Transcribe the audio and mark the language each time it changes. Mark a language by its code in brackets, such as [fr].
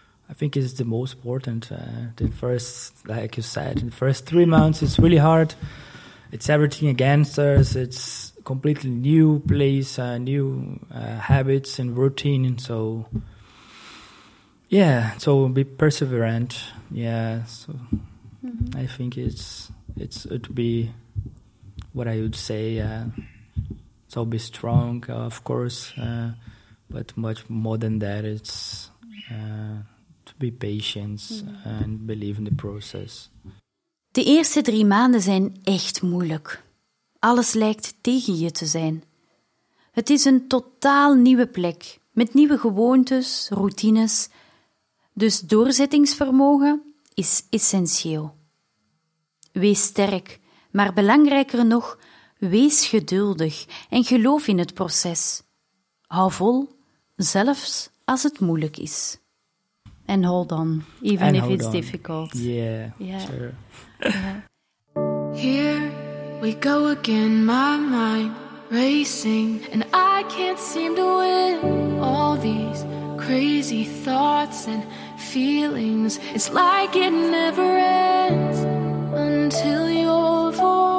[en] I think it's the most important, the first, like you said, in the first 3 months, it's really hard, it's everything against us, it's completely new place, new habits and routine, and so yeah, so be perseverant, yeah, so I think it's it would be what I would say. So be strong, of course, but much more than that, it's to be patient and believe in the process. [nl] De eerste 3 maanden zijn echt moeilijk. Alles lijkt tegen je te zijn. Het is een totaal nieuwe plek, met nieuwe gewoontes, routines. Dus doorzettingsvermogen is essentieel. Wees sterk, maar belangrijker nog, wees geduldig en geloof in het proces. Hou vol, zelfs als het moeilijk is. [en] And hold on, even and if it's on. Difficult. Yeah, sure. Here we go again, my mind racing. And I can't seem to win all these crazy thoughts and feelings. It's like it never ends. Until you're full.